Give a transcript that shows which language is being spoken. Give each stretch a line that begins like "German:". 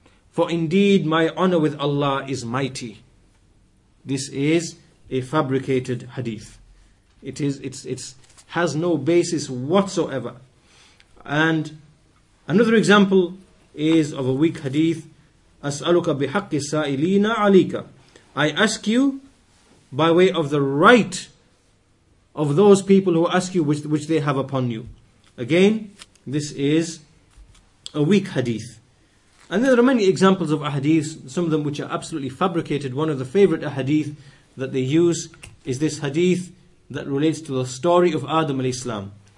English: For indeed my honor with Allah is mighty. This is a fabricated hadith. It has no basis whatsoever. And another example is of a weak hadith.
Arabic: أَسْأَلُكَ بِحَقِّ السَّائِلِينَ عَلِيكَ.
English: I ask you by way of the right of those people who ask you which they have upon you. Again, this is a weak hadith. And there are many examples of ahadith, some of them which are absolutely fabricated. One of the favorite ahadith that they use is this hadith that relates to the story of Adam al-Islam.